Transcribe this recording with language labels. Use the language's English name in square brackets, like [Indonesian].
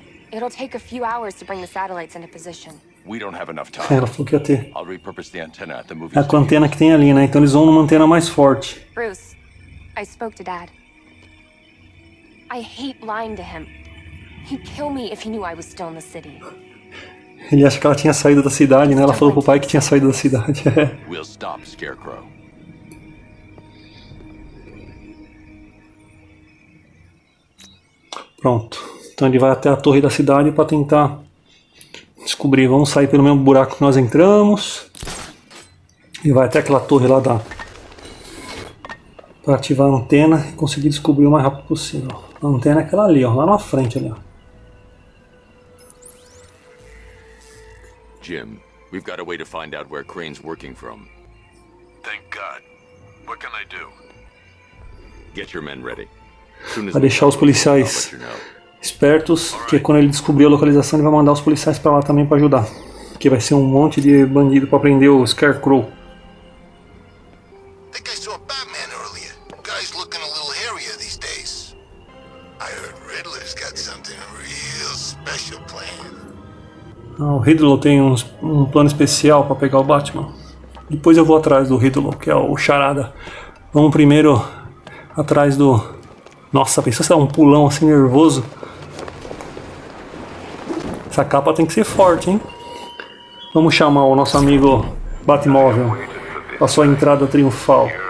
[English] It'll take a few hours to bring the satellites into position. [Portuguese] Ela falou que ia ter. É com a antena que tem ali, né? Então eles vão numa antena mais forte. [English] Bruce, I spoke to Dad. I hate lying to him. He'd kill me if he knew I was still in the city. [Portuguese] Ele acha que ela tinha saído da cidade, né? Ela falou pro pai que tinha saído da cidade. [English] We'll stop Scarecrow. [Portuguese] Pronto. Então ele vai até a torre da cidade para tentar descobri, vamos sair pelo mesmo buraco que nós entramos. E vai até aquela torre lá da... Para ativar a antena e conseguir descobrir o mais rápido possível. A antena é aquela ali, ó, lá na frente ali, ó. [English] Jim, we've got a way to find out where Crane's working from. Thank God. What can I do? Get your men ready. [Portuguese] Vai deixar os policiais espertos, que quando ele descobrir a localização ele vai mandar os policiais para lá também para ajudar, que vai ser um monte de bandido para prender o Scarecrow. [English] I think I saw Batman earlier. Guy's looking a little hairier these days. I heard Riddler's got something real special planned. [Portuguese] Ah, o Riddler tem um plano especial para pegar o Batman. Depois eu vou atrás do Riddler, que é o charada. Vamos primeiro atrás do... Nossa, pensou se dá um pulão assim nervoso. Essa capa tem que ser forte, hein? Vamos chamar o nosso amigo Batmóvel para sua entrada triunfal.